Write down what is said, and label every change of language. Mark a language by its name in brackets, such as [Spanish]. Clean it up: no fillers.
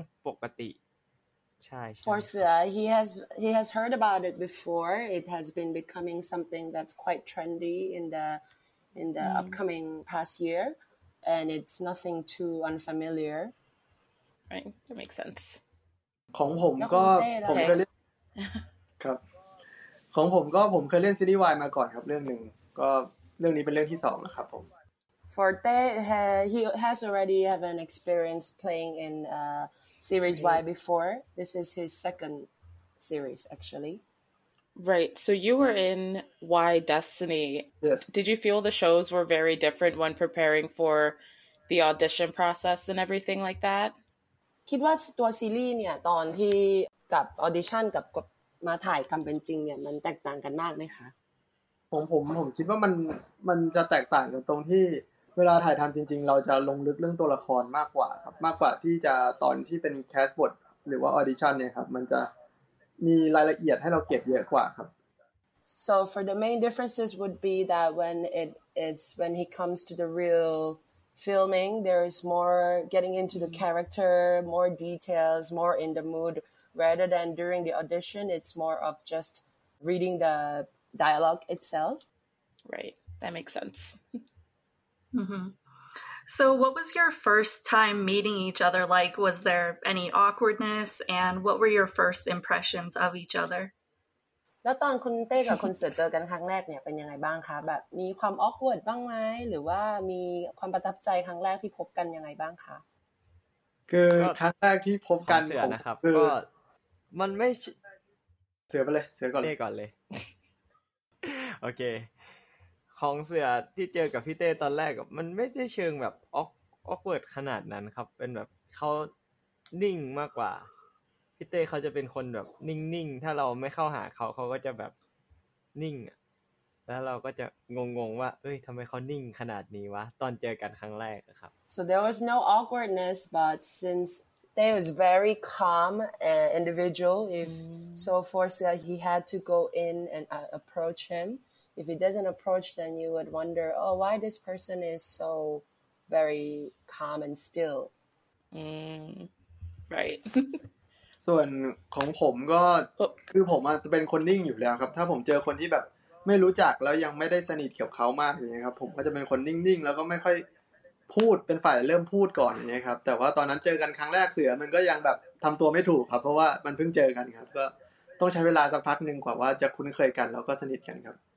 [Thai] พี่เต้ก่อนเลยผมก่อนเชื่อก่อนเลยก็ได้โอเคครับของเสือก็รู้มาก่อนนะครับเพราะว่ามันก็เป็นกระแสในช่วงหลายๆปีที่ผ่านมาก็รู้สึกว่ามีซีรีส์วายมาสักพักแล้วก็รู้สึกว่ามันก็เป็นเรื่องปกติใช่ [English] he has heard about it before. It has been becoming something that's quite trendy in the upcoming past year, and it's nothing too unfamiliar. Right, that makes sense. [Thai] ของผมก็ผมเคยเล่นครับของผมก็ผมเคยเล่นซีรีส์วายมาก่อนครับเรื่องนึงก็เรื่องนี้เป็นเรื่องที่สองนะครับผม [English] Forte has already have an experience playing in series Y before. This is his second series actually. Right. So you were in Y Destiny. Yes. Did you feel the shows were very different when preparing for the audition process and everything like that? [Thai] คิดว่าตัวซีรีส์เนี่ยตอนที่กับออดิชั่นกับมาถ่ายกันเป็นจริงเนี่ยมันแตกต่างกันมากไหมคะ ผมคิดว่ามันจะแตกต่างกันตรงที่เวลาถ่ายทำจริงๆเราจะลงลึกเรื่องตัวละครมากกว่าครับมากกว่าที่จะตอนที่เป็นแคสบทหรือว่าออดิชั่นเนี่ยครับมันจะมีรายละเอียดให้เราเก็บเยอะกว่าครับ [English] So for the main differences would be that when it is when he comes to the real filming there is more getting into the character more details more in the mood rather than during the audition it's more of just reading the dialogue itself right that makes sense mm-hmm. So what was your first time meeting each other like was there any awkwardness and what were your first impressions of each other [Thai] แล้วตอนคุณเต้กับคุณเสือเจอกันครั้งแรกเนี่ยเป็นยังไงบ้างคะแบบมีความออกเวิร์ดบ้างไหมหรือว่ามีความประทับใจครั้งแรกที่พบกันยังไงบ้างคะ คือครั้งแรกที่พบกัน เสือนะครับก็มันไม่เสือไปเลยเสือก่อน เต้ก่อนเลยโอเคของเสือที่เจอกับพี่เต้ตอนแรกมันไม่ใช่เชิงแบบออกเวิร์ดขนาดนั้นครับเป็นแบบเขานิ่งมากกว่าพี่เต้เขาจะเป็นคนแบบนิ่งๆถ้าเราไม่เข้าหาเขาเขาก็จะแบบนิ่งแล้วเราก็จะงงๆว่าเอ้ยทำไมเขานิ่งขนาดนี้วะตอนเจอกันครั้งแรกครับ [English] So there was no awkwardness but since they was very calm individual if so forced that he had to go in and approach him if he doesn't approach then you would wonder oh why this person is so very calm and still right [Thai] ส่วนของผมก็คือผมอ่ะจะเป็นคนนิ่งอยู่แล้วครับถ้าผมเจอคนที่แบบไม่รู้จักแล้วยังไม่ได้สนิทกับเขามากอย่างเงี้ยครับผมก็จะเป็นคนนิ่งๆแล้วก็ไม่ค่อยพูดเป็นฝ่ายเริ่มพูดก่อนอย่างเงี้ยครับแต่ว่าตอนนั้นเจอกันครั้งแรกเสือมันก็ยังแบบทำตัวไม่ถูกครับเพราะว่ามันเพิ่งเจอกันครับก็ต้องใช้เวลาสักพักนึงกว่าว่าจะคุ้นเคยกันแล้วก็สนิทกันครับ